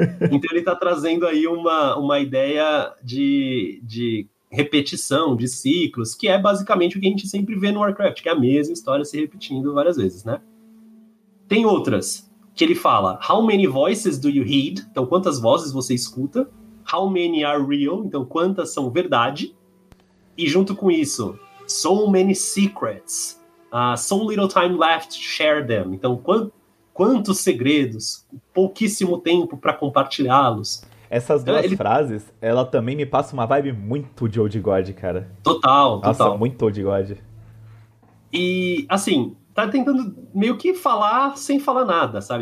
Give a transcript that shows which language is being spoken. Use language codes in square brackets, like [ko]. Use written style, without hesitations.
[pt] Então ele tá trazendo aí uma ideia de repetição, de ciclos, que é basicamente o que a gente sempre vê no Warcraft, que é a mesma história se repetindo várias vezes, né? Tem outras, que ele fala: [en] how many voices do you heed? [pt] Então, quantas vozes você escuta? [en] How many are real? [pt] Então, quantas são verdade? E junto com isso, [en] so many secrets. So little time left to share them. [pt] Então, quantos segredos, pouquíssimo tempo para compartilhá-los. Essas duas frases, ela também me passa uma vibe muito de Old God, cara. Total, total. Nossa, muito Old God. E, assim, tá tentando meio que falar sem falar nada, sabe?